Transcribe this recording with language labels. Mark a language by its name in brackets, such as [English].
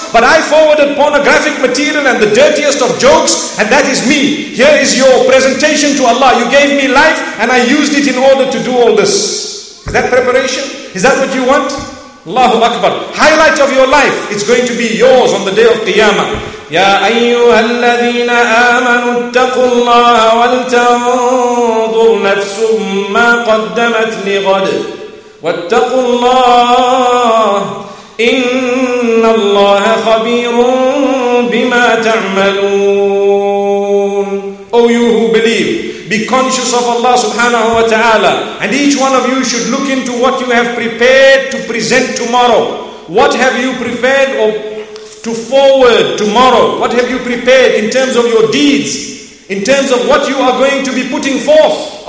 [English] But I forwarded pornographic material and the dirtiest of jokes. And that is me. Here is your presentation to Allah. You gave me life and I used it in order to do all this. Is that preparation? Is that what you want? Allahu Akbar. Highlight of your life. It's going to be yours on the day of Qiyamah. [Arabic] يا أيها الذين آمنوا اتقوا الله ولتنظر نفس ما قدمت لغد واتقوا الله إن الله خبير بما تعملون. [English] Oh you who believe, be conscious of Allah subhanahu wa ta'ala, and each one of you should look into what you have prepared to present tomorrow. What have you prepared or to forward tomorrow? What have you prepared in terms of your deeds? In terms of what you are going to be putting forth?